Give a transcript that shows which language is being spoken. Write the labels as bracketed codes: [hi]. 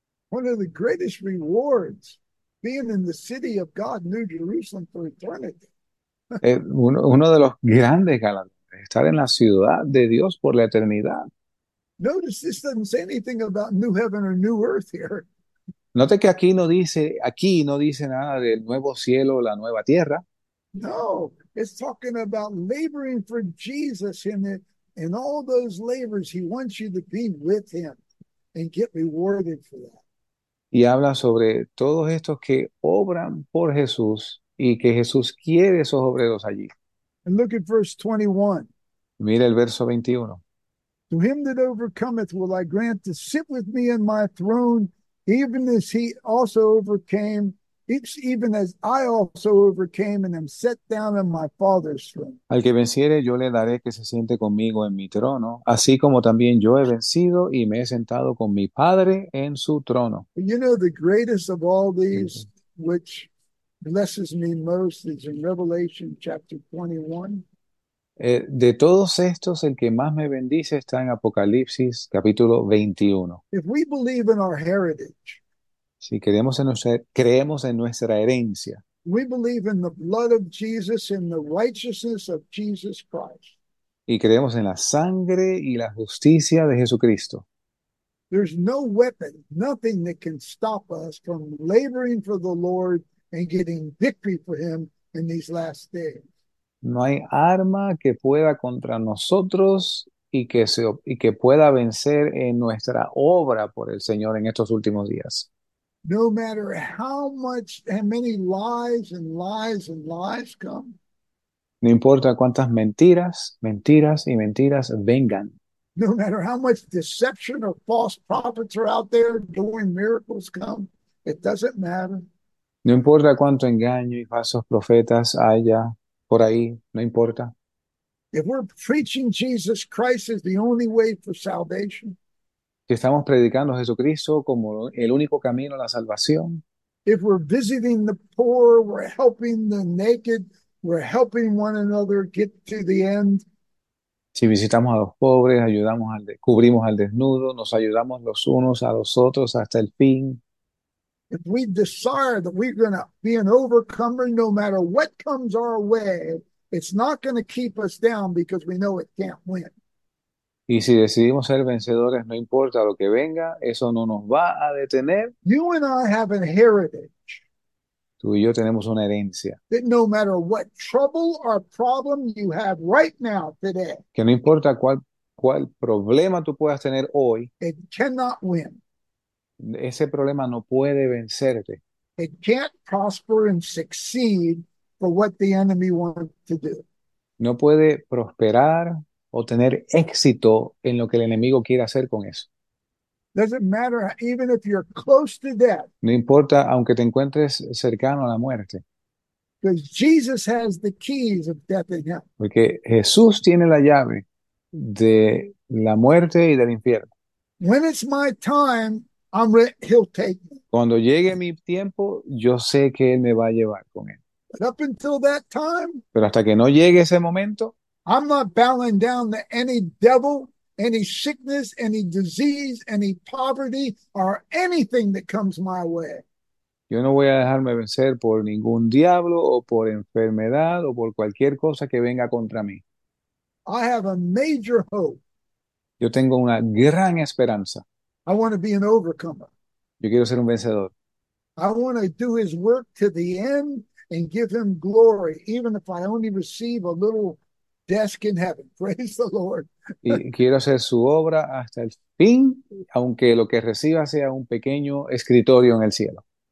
[en] One of the greatest rewards, being in the city of God, New Jerusalem, for eternity. [es] Uno de los grandes galardones, estar en la ciudad de Dios por la eternidad. [en] Notice this doesn't say anything about new heaven or new earth here. [es] Note que aquí no dice nada del nuevo cielo o la nueva tierra. [en] No, it's talking about laboring for Jesus in all those labors. He wants you to be with him and get rewarded for that. [es] Y habla sobre todos estos que obran por Jesús y que Jesús quiere esos obreros allí. [en] And look at verse 21. [es] Mira el verso 21. [en] To him that overcometh will I grant to sit with me in my throne, even as he also overcame, even as I also overcame and am set down in my Father's throne. [es] Al que venciere, yo le daré que se siente conmigo en mi trono, así como también yo he vencido y me he sentado con mi Padre en su trono. [en] You know, the greatest of all these, which blesses me most, is in Revelation chapter 21. [es] De todos estos, el que más me bendice está en Apocalipsis capítulo 21. [en] If we believe in our heritage, [es] Si queremos en nuestra, creemos en nuestra herencia. [en] we believe in the blood of Jesus and the righteousness of Jesus Christ. [es] Y creemos en la sangre y la justicia de Jesucristo. [en] There's no weapon, nothing that can stop us from laboring for the Lord and getting victory for him in these last days. [es] No hay arma que pueda contra nosotros y que pueda vencer en nuestra obra por el Señor en estos últimos días. [en] No matter how many lies and lies and lies come, [es] No importa cuántas mentiras, mentiras y mentiras vengan. [en] no matter how much deception or false prophets are out there doing miracles come, it doesn't matter. [es] No importa cuánto engaño y falsos profetas haya por ahí, no importa. [en] If we're preaching Jesus Christ as the only way for salvation, [es] Si estamos predicando a Jesucristo como el único camino a la salvación. [en] if we're visiting the poor, we're helping the naked, we're helping one another get to the end. [es] Si visitamos a los pobres, ayudamos al de cubrimos al desnudo, nos ayudamos los unos a los otros hasta el fin. [en] If we desire that we're going to be an overcomer, no matter what comes our way, it's not going to keep us down because we know it can't win. [es] Y si decidimos ser vencedores, no importa lo que venga, eso no nos va a detener. [en] You and I have a heritage [es] Tú y yo tenemos una herencia. [en] that no matter what trouble or problem you have right now today, [es] Que no importa cuál problema tú puedas tener hoy, [en] it cannot win. [es] ese problema no puede vencerte. [en] It can't prosper and succeed for what the enemy wants to do. [es] No puede prosperar o tener éxito en lo que el enemigo quiere hacer con eso. [en] Doesn't matter, even if you're close to death, [es] No importa aunque te encuentres cercano a la muerte. [en] because Jesus has the keys of death and hell. [es] Porque Jesús tiene la llave de la muerte y del infierno. [en] When it's my time, I'm re he'll take me. [es] Cuando llegue mi tiempo, yo sé que Él me va a llevar con Él. [en] But up until that time, [es] Pero hasta que no llegue ese momento, [en] I'm not bowing down to any devil, any sickness, any disease, any poverty, or anything that comes my way. [es] yo no voy a dejarme vencer por ningún diablo o por enfermedad o por cualquier cosa que venga contra mí. [en] I have a major hope. [es] Yo tengo una gran esperanza. [en] I want to be an overcomer. [es] Yo quiero ser un vencedor. [en] I want to do his work to the end and give him glory, even if I only receive a little desk in heaven. Praise the Lord. [es] Y quiero hacer su obra hasta el fin, aunque lo que reciba sea un pequeño escritorio en el cielo.